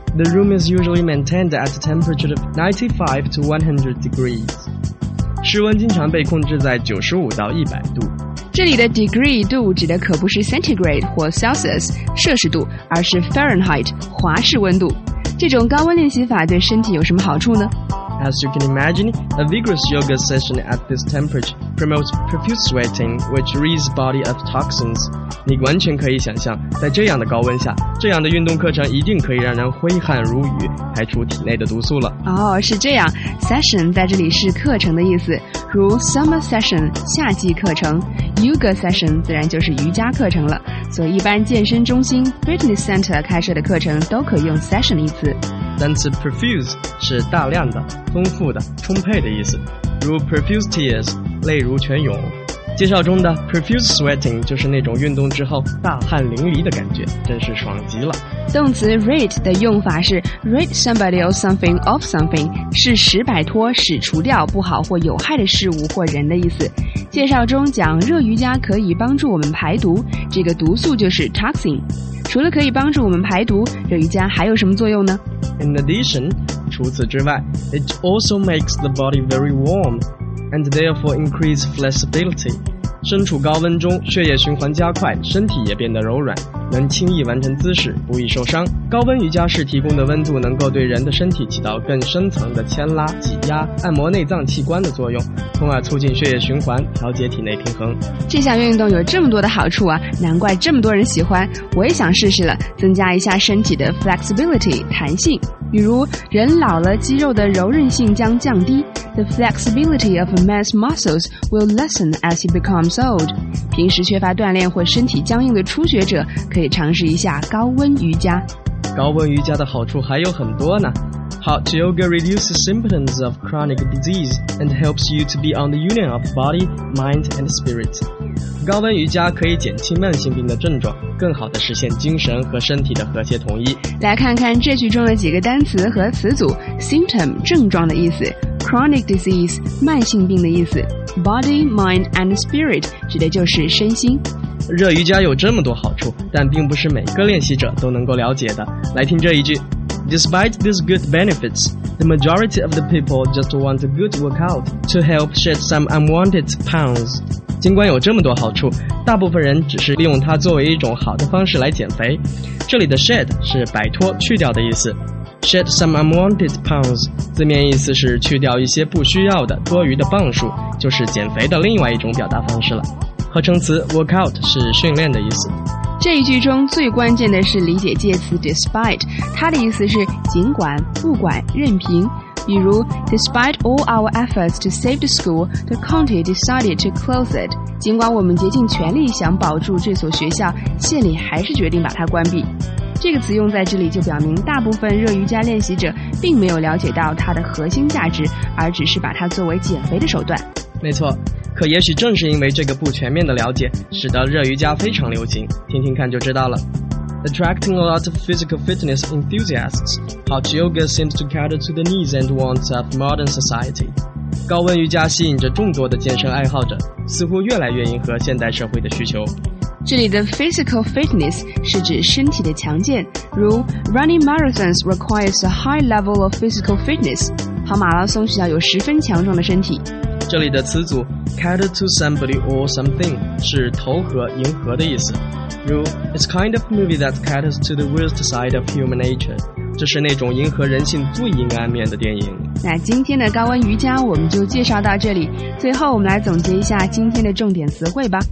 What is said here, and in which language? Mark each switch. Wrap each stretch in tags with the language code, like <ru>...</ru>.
<en>The room is usually maintained at a temperature of 95 to 100 degrees，</en> <zh>室温经常被控制在95到100度。这里的 degree 度指的可不是 centigrade 或 Celsius 摄氏度，而是 Fahrenheit 华氏温度。这种高温练习法对身体有什么好处呢？</zh> <en>As you can imagine, a vigorous yoga session at this temperature promotes profuse sweating, which rids body of toxins.</en> <zh>你完全可以想象，在这样的高温下，这样的运动课程一定可以让人挥汗如雨，排除体内的毒素了。哦，是这样。Session 在这里是课程的意思，如 summer session 夏季课程， yoga session 自然就是瑜伽课程了。所以一般健身中心 fitness center 开设的课程都可以用 session 的意思。单词 profuse 是大量的、丰富的、充沛的意思，如 profuse tears 泪如泉涌。介绍中的 profuse sweating 就是那种运动之后大汗淋漓的感觉，真是爽极了。动词 rid 的用法是</zh> <en>rid somebody or something of something，</en> <zh>是使摆脱、使除掉不好或有害的事物或人的意思。介绍中讲热瑜伽可以帮助我们排毒，这个毒素就是 toxin。除了可以帮助我们排毒，热瑜伽还有什么作用呢？</zh> <en>In addition,</en> <zh>除此之外，</zh> <en>it also makes the body very warm and therefore increase flexibility.</en> <zh>身处高温中，血液循环加快，身体也变得柔软，能轻易完成姿势，不易受伤。高温瑜伽室提供的温度能够对人的身体起到更深层的牵拉、挤压、按摩内脏器官的作用，从而促进血液循环，调节体内平衡。这项运动有这么多的好处啊，难怪这么多人喜欢，我也想试试了，增加一下身体的 flexibility 弹性。比如人老了，肌肉的柔韧性将降低，</zh> <en>The flexibility of a man's muscles will lessen as he becomes old.</en> <zh>平时缺乏锻炼或身体僵硬的初学者可以尝试一下高温瑜伽。高温瑜伽的好处还有很多呢。</zh> <en>Hot yoga reduces symptoms of chronic disease and helps you to be on the union of body, mind and spirit.</en> <zh>高温瑜伽可以减轻慢性病的症状，更好地实现精神和身体的和谐统一。来看看这句中的几个单词和词组。 Symptom 症状的意思， Chronic disease 慢性病的意思， Body, mind and spirit 指的就是身心。热瑜伽有这么多好处，但并不是每个练习者都能够了解的。来听这一句，</zh> <en>Despite these good benefits, the majority of the people just want a good workout to help shed some unwanted pounds.</en> <zh>尽管有这么多好处，大部分人只是利用它作为一种好的方式来减肥。这里的 shed 是摆脱、去掉的意思。</zh> <en>Shed some unwanted pounds，</en> <zh>字面意思是去掉一些不需要的、多余的磅数，就是减肥的另外一种表达方式了。合成词 workout 是训练的意思。这一句中最关键的是理解介词 despite， 它的意思是尽管、不管、任凭。比如</zh> <en>Despite all our efforts to save the school, the county decided to close it.</en> <zh>尽管我们竭尽全力想保住这所学校，县里还是决定把它关闭。这个词用在这里就表明大部分热瑜伽练习者并没有了解到它的核心价值，而只是把它作为减肥的手段。没错，可也许正是因为这个不全面的了解，使得热瑜伽非常流行，听听看就知道了。</zh> <en>Attracting a lot of physical fitness enthusiasts, hot yoga seems to cater to the needs and wants of modern society.</en> <zh>高温瑜伽吸引着众多的健身爱好者，似乎越来越迎合现代社会的需求。这里的 physical fitness 是指身体的强健，如</zh> <en>running marathons requires a high level of physical fitness,</en> <zh>跑马拉松需要有十分强壮的身体。这里的词组</zh> <en>cater to somebody or something</en> <zh>是投合迎合的意思，如</zh> <en>It's kind of movie that caters to the worst side of human nature，</en> <zh>这是那种迎合人性最阴暗面的电影。那今天的高温瑜伽我们就介绍到这里，最后我们来总结一下今天的重点词汇吧。</zh>